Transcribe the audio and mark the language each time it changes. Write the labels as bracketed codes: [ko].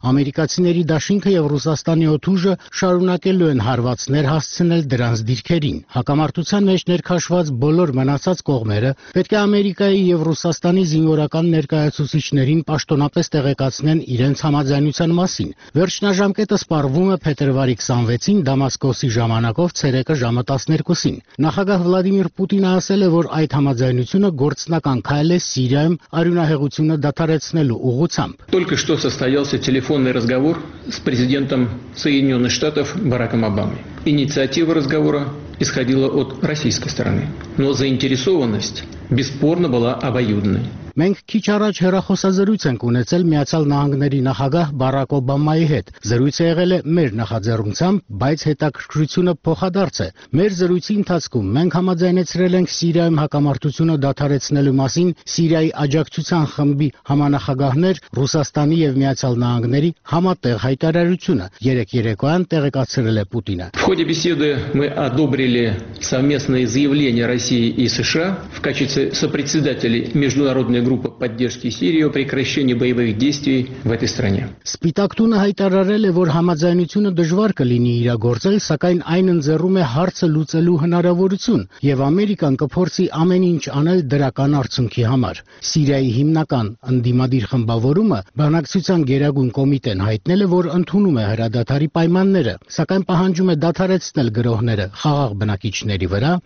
[hy] Ամերիկացիների Դաշինքը եւ Ռուսաստանի Օթուժը շարունակելու են հարվածներ հասցնել դրանց դիրքերին։ Հակամարտության մեջ ներքաշված բոլոր մնացած կողմերը պետք է Ամերիկայի եւ Ռուսաստանի զինվորական ներկայացուցիչներին պաշտոնապես տեղեկացնեն իրենց համաձայնության մասին։ Վերջնաժամկետը սպառվում է փետրվարի 26-ին Դամասկոսի ժամանակով ցերեկը ժամը 12-ին։ Նախագահ Վլադիմիր Պուտինը ասել է, որ այդ համաձայնությունը գործնական քայլ է Սիրիայում արյունահեղությունը դադարեցնելու ուղղությամբ։ [ru] Только что состоялся телефонный разговор с президентом Соединённых Штатов Бараком Обамой. Инициатива разговора исходила от российской стороны. Но заинтересованность Бесспорно была обоюдной. [hy] Մենք քիչ առաջ հեռախոսազրույց ենք ունեցել Միացյալ Նահանգների նախագահ Բարակ Օբամայի հետ։ Զրույցը եղել է մեր նախաձեռնությամբ, բայց հետաքրքրությունը փոխադարձ է։ Մեր զրույցի ընթացքում մենք համաձայնեցրել ենք Սիրիայում հակամարտությունը դադարեցնելու մասին Սիրիայի աջակցության խմբի համանախագահներ Ռուսաստանի և Միացյալ Նահանգների համատեղ հայտարարությունը, երեկ երեկոյան տեղեկացրել է Պուտինը։ [ru] В ходе беседы мы одобрили совместное заявление России и США в качестве сопредседателей международного группа поддержки Сирии о прекращении боевых действий в этой стране. [hy] Սպիտակտունը հայտարարել է, որ համաձայնությունը դժվար կլինի իրագործել, սակայն այն ընձեռում է հարցը լուծելու հնարավորություն, եւ Ամերիկան կփորձի ամեն ինչ անել դրական արդյունքի համար։ Սիրիայի հիմնական ընդդիմադիր խմբավորումը բանակցության գերագույն կոմիտեն հայտնել է, որ ընդունում է հրադադարի պայմանները, սակայն պահանջում է դադարեցնել գրոհները խաղաղ բնակիչների վրա,